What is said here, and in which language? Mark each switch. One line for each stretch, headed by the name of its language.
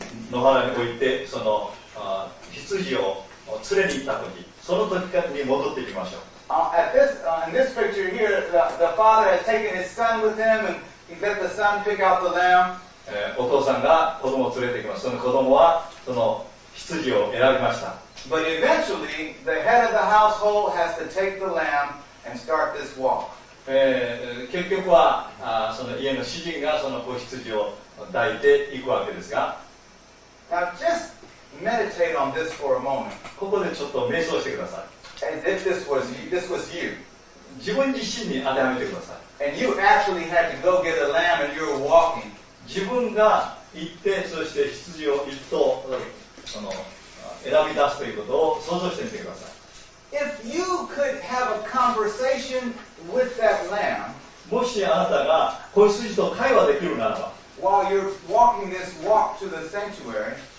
Japanese: 野原に行ってその羊を連れに行った時、その時かに戻ってきましょう。
English: In this picture here, the father has taken his son with him and he let the son pick out the lamb.
Japanese: お父さんが子供を連れてきます。その子供はその羊を選びました。
English: But eventually, the head of the household has to take the lamb and start this walk.
Japanese: 結局はその家の主人がその子羊を抱いていくわけですが。
English: Now just meditate on this for a moment.
Japanese: ここでちょっと瞑想してください。
English: And if this was you,
Japanese: 自分自身に当てはめてください。
English: And you actually had to go get a lamb and you're walking.
Japanese: 自分が行って、そして羊を一頭その選び出すということを想像してみてください。
English: If you could have a conversation with that lamb,
Japanese: もしあなたが子羊と会話できるならば、
English: while you're walking this walk to the sanctuary,